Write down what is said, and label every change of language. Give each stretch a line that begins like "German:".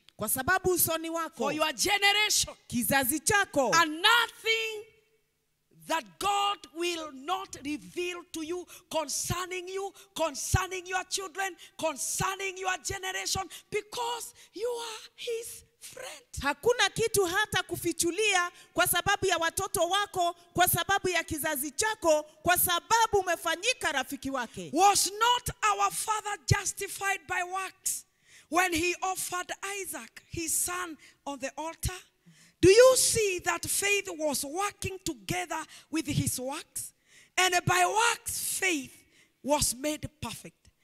Swahili: Kwa sababu usoni wako.
English: For your generation.
Swahili: Kizazi chako.
English: And nothing that God will not reveal to you concerning you, concerning your children, concerning your generation, because you are his friend.
Swahili: Hakuna kitu hata kufichulia kwa sababu ya watoto wako, kwa sababu ya kizazi chako, kwa sababu umefanyika rafiki wake.
English: Was not our father justified by works when he offered Isaac, his son, on the altar? Do you see that faith was working together with his works? And by works, faith was made perfect.